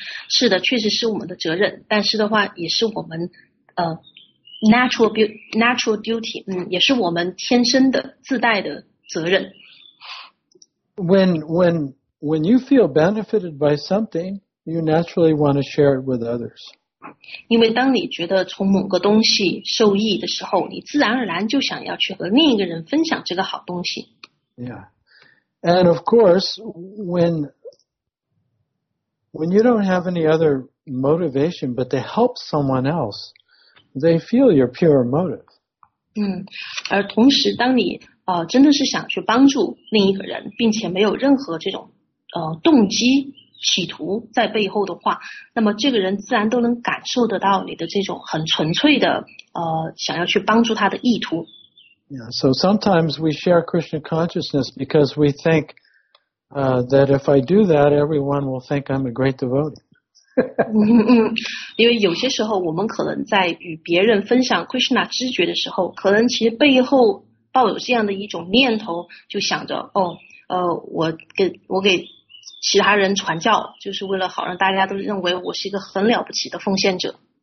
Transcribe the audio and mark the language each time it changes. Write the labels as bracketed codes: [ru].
[zh] 是的，确实是我们的责任，但是的话也是我们 [en] natural duty, [zh] 也是我们天生的自带的责任。 [en] When you feel benefited by something,you naturally want to share it with others. [zh] 因为当你觉得从某个东西受益的时候，你自然而然就想要去和另一个人分享这个好东西。 [en] Yeah. And of course, when you don't have any other motivation but to help someone else, they feel your pure motive. [zh] 而同时当你真的是想去帮助另一个人，并且没有任何这种动机企图在背后的话，那么这个人自然都能感受得到你的这种很纯粹的想要去帮助他的意图。 [en] Yeah, so sometimes we share Krishna consciousness because we think that if I do that, everyone will think I'm a great devotee. [zh] 因为有些时候我们可能在与别人分享 Krishna 知觉的时候，可能其实背后抱有这样的一种念头，就想着哦，我给其他人传教，就是为了好让大家都认为我是一个很了不起的奉献者。